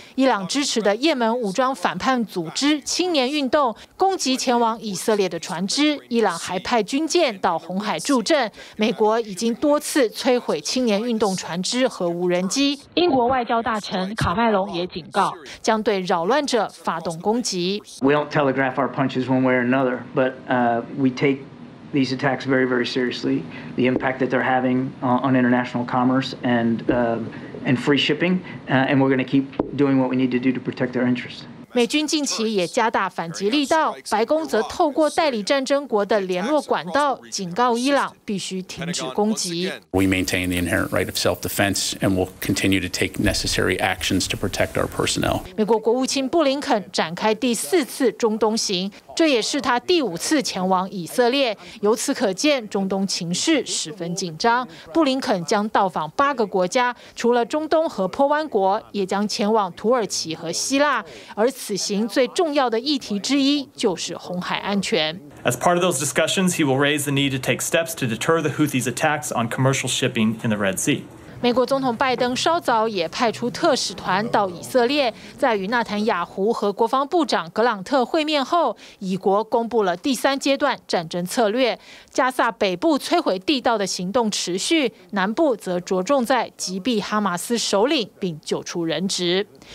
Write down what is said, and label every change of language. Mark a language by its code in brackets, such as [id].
[zh] 伊朗支持的也门武装反叛组织青年运动攻击前往以色列的船只，伊朗还派军舰到红海助阵，美国已经多次摧毁青年运动船只和无人机。英国外交大臣卡麦隆也警告将对扰乱者发动攻击。 [en] We don't telegraph our punches one way or another, but we take these attacks very, very seriously. The impact that they're having on international commerce and free shipping, and we're going to keep doing what we need to do to protect their interests. [zh] 美军近期也加大反击力道，白宫则透过代理战争国的联络管道警告伊朗必须停止攻击。 [en] We maintain the inherent right of self-defense, and we'll continue to take necessary actions to protect our personnel. [zh] 美国国务卿布林肯展开第四次中东行。这也是他第五次前往以色列，由此可见中东情势十分紧张。布林肯将到访八个国家，除了中东和波湾国，也将前往土耳其和希腊。而此行最重要的议题之一就是红海安全。 [en] As part of those discussions, he will raise the need to take steps to deter the Houthis' attacks on commercial shipping in the Red Sea. [zh] 美国总统拜登稍早也派出特使团到以色列，在与纳坦雅胡和国防部长格朗特会面后，以国公布了第三阶段战争策略。加萨北部摧毁地道的行动持续，南部则着重在击毙哈马斯首领并救出人质。